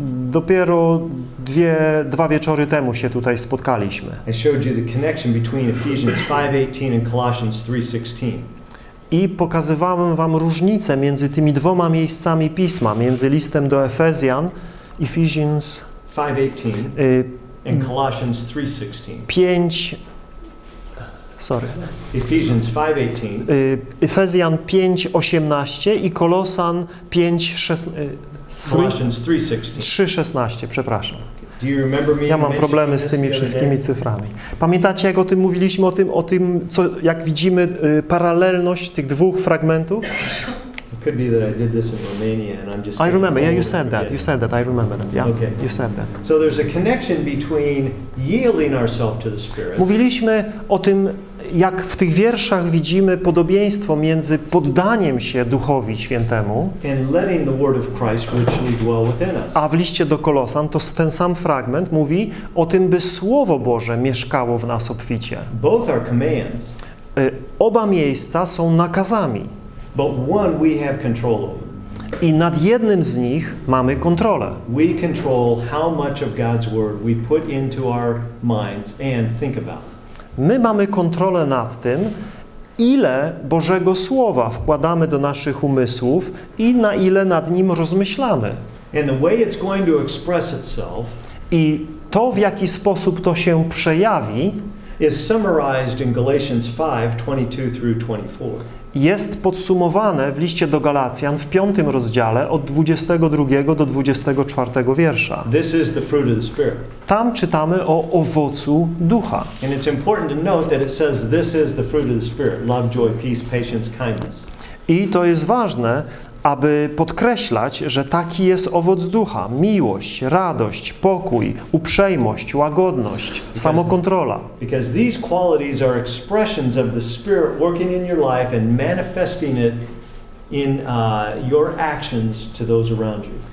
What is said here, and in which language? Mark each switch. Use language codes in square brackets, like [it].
[pl] Dopiero dwa wieczory temu się tutaj spotkaliśmy. [en] I showed you the connection between Ephesians 5:18 and Colossians 3:16. [pl] I pokazywałem wam różnicę między tymi dwoma miejscami pisma, między listem do Efezjan, Ephesians [en] 5:18. And Colossians 3:16. Ephesians 5:18. [pl] Efezjan 5:18 i Kolosan 3:16, przepraszam. [en] Do you remember me? [pl] Ja mam problemy z tymi wszystkimi cyframi. Pamiętacie, jak o tym mówiliśmy, o tym co, jak widzimy paralelność tych dwóch fragmentów? [en] Could be that I did this in Romania and I'm just I remember. Yeah, you said that. Yeah. Okay. You said that. So there's a connection between yielding ourselves to the Spirit. [pl] Mówiliśmy o tym, jak w tych wierszach widzimy podobieństwo między poddaniem się Duchowi Świętemu [en] and letting the word of Christ richly dwell within us. [pl] A w liście do Kolosan to ten sam fragment mówi o tym, by Słowo Boże mieszkało w nas obficie. [en] Both are commands. [pl] Oba miejsca są nakazami. [en] But one we have control over. [pl] I nad jednym z nich mamy kontrolę. [en] We control how much of God's word we put into our minds and think about. [pl] My mamy kontrolę nad tym, ile Bożego Słowa wkładamy do naszych umysłów i na ile nad nim rozmyślamy. [en] And the way it's going to express itself, [pl] i to, w jaki sposób to się przejawi, [en] is summarized in Galatians 5:22-24. [pl] Jest podsumowane w liście do Galacjan w 5 rozdziale od 22 do 24 wiersza. [en] This is the fruit of the Spirit. [pl] Tam czytamy o owocu Ducha. [en] And it's important to note that it says this is the fruit of the Spirit: love, joy, peace, patience, kindness. [pl] I to jest ważne, aby podkreślać, że taki jest owoc Ducha: miłość, radość, pokój, uprzejmość, łagodność, samokontrola. [en] Because these qualities are expressions of the Spirit working in your life and manifesting it in your actions to those around you.